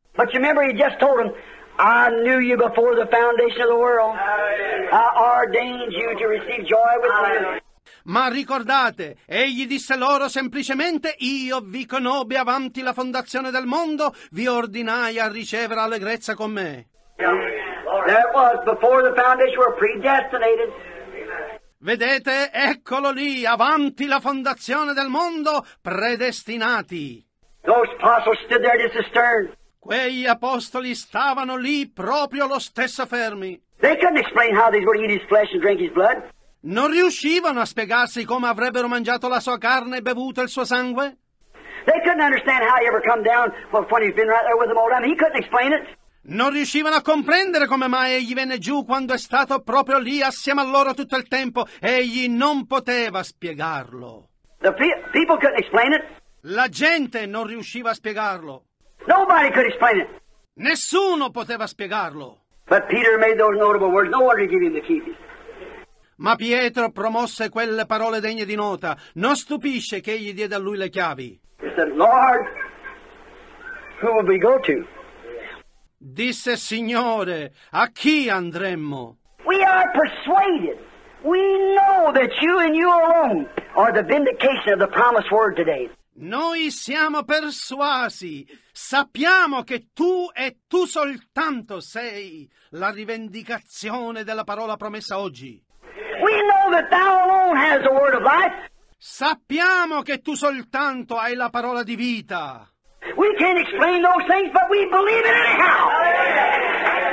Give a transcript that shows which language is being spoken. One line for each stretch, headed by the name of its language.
English: But you remember he just told them, I knew you before the foundation of the world. I ordained you to receive joy with me.
Italian: Ma ricordate, egli disse loro semplicemente, io vi conobbi avanti la fondazione del mondo, vi ordinai a ricevere allegrezza con me.
English: That was before the foundation were predestinated.
Italian: Vedete, eccolo lì, avanti la fondazione del mondo, predestinati.
English: Those apostles stood there just as stern.
Italian: Quegli apostoli stavano lì proprio lo stesso fermi.
English: They couldn't explain how they were eating his flesh and drink his blood.
Italian: Non riuscivano a spiegarsi come avrebbero mangiato la sua carne e bevuto il suo sangue.
English: They couldn't understand how he ever come down when he's been right there with them all time. He couldn't explain it.
Italian: Non riuscivano a comprendere come mai egli venne giù quando è stato proprio lì assieme a loro tutto il tempo. Egli non poteva spiegarlo.
English: The people couldn't explain it.
Italian: La gente non riusciva a spiegarlo.
English: Nobody could explain it.
Italian: Nessuno poteva spiegarlo.
English: But Peter made those notable words. No wonder he gave him the keys.
Italian: Ma Pietro promosse quelle parole degne di nota. Non stupisce che egli diede a lui le chiavi.
English: He said, Lord, who will we go to?
Italian: Disse, Signore, a chi andremmo?
English: We are persuaded. We know that you and you alone are the vindication of the promised word today.
Italian: Noi siamo persuasi. Sappiamo che tu e tu soltanto sei la rivendicazione della parola promessa oggi.
English: We know that thou alone has the word of life.
Italian: Sappiamo che tu soltanto hai la parola di vita.
English: We can't explain those things, but we believe it anyhow.